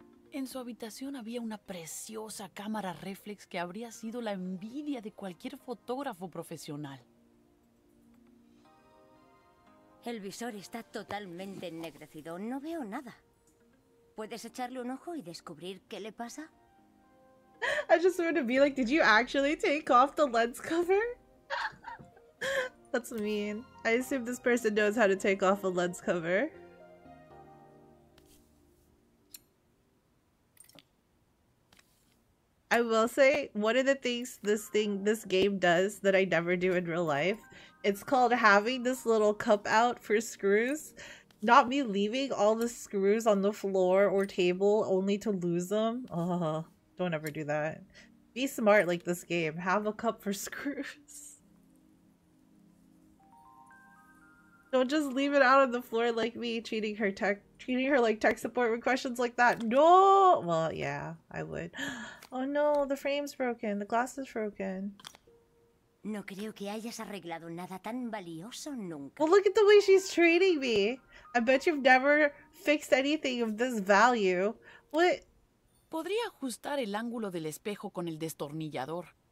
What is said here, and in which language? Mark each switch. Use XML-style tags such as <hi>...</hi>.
<es>En su habitación había una preciosa cámara réflex que habría sido la envidia de cualquier fotógrafo profesional. El visor está totalmente ennegrecido. No veo nada. ¿Puedes echarle un ojo y descubrir qué le pasa?</es> <en>I just wanted to be like, did you actually take off the lens cover? That's mean. I assume this person knows how to take off a lens cover. I will say, one of the things this game does that I never do in real life, it's called having this little cup out for screws. Not me leaving all the screws on the floor or table only to lose them. Oh, don't ever do that. Be smart like this game. Have a cup for screws. Don't just leave it out on the floor like me, treating her like tech support with questions like that. No! Well, yeah, I would. Oh no, the frame's broken. The glass is broken.</en> <es>No creo que hayas arreglado nada tan valioso nunca.</es> <en>Well, look at the way she's treating me. I bet you've never fixed anything of this value. What?</en> <es>Podría ajustar el ángulo del espejo con el destornillador.</es>